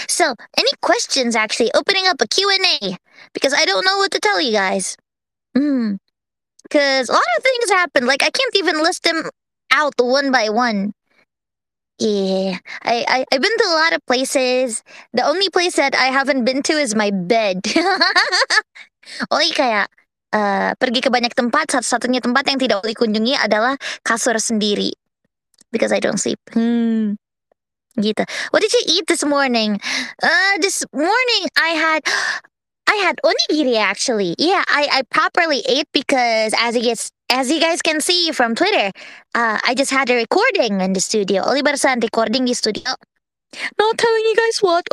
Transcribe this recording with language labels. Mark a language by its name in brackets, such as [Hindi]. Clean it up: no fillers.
[English] So, any questions, actually? Opening up a Q&A. Because I don't know what to tell you guys. Because a lot of things happened. Like, I can't even list them out the one by one. Yeah. I've been to a lot of places. The only place that I haven't been to is my bed. [Indonesian] Oli kayak pergi ke banyak tempat, satu-satunya tempat yang tidak Oli kunjungi adalah kasur sendiri. [English] Because I don't sleep. [Indonesian] Gitu. [English] What did you eat this morning? This morning I had onigiri actually. Yeah, I properly ate because as you guys can see from Twitter, I just had a recording in the studio. [Indonesian] Oli barusan recording di studio. [English] Not telling you guys what.